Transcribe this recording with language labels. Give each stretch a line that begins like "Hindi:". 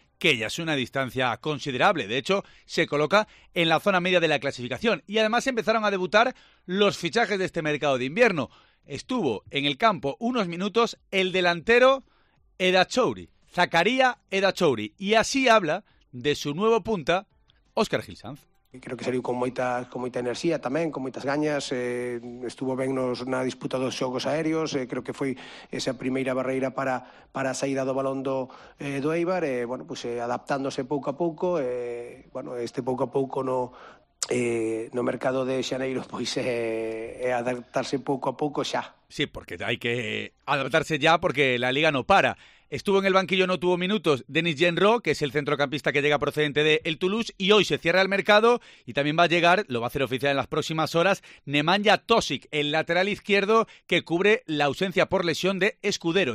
Spanish: Que ya es una distancia considerable. De hecho, se coloca en la zona media de la clasificación. Y además empezaron a debutar los fichajes de este mercado de invierno. Estuvo en el campo unos minutos el delantero Zakaria Edachouri. Y así habla de su nuevo punta, Óscar Gil Sanz.
Galician: Creo que saliu con moita enerxía tamén, con moitas gañas, estuvo ben na disputa dos xogos aéreos, creo que foi esa primeira barreira para a saída do balón do Eibar, adaptándose pouco a pouco, este pouco a pouco no mercado de xaneiro, adaptarse pouco a pouco xa.
Spanish: Sí, porque
Galician: hai que
Spanish: adaptarse ya porque la liga no para. Estuvo en el banquillo, no tuvo minutos, Denis Genro, que es el centrocampista que llega procedente de el Toulouse, y hoy se cierra el mercado y también va a llegar, lo va a hacer oficial en las próximas horas, Nemanja Tosic, el lateral izquierdo que cubre la ausencia por lesión de Escudero.